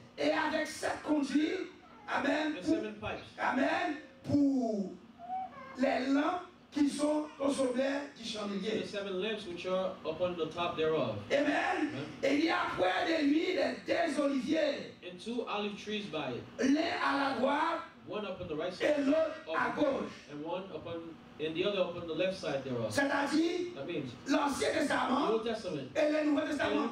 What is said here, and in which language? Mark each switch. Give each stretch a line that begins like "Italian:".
French: Et avec sept conduits, amen, amen, pour les lampes qui sont au sommet du chandelier.
English: The seven lamps which are upon the top thereof. Amen.
French: Et il y a près de lui les deux oliviers.
English: And two olive trees by it.
French: L'un à la droite.
English: One upon the right side.
French: Et l'autre à gauche.
English: And one upon and the other upon the left side thereof.
French: C'est-à-dire, l'Ancien Testament,
English: the Old Testament,
French: et le Nouveau Testament,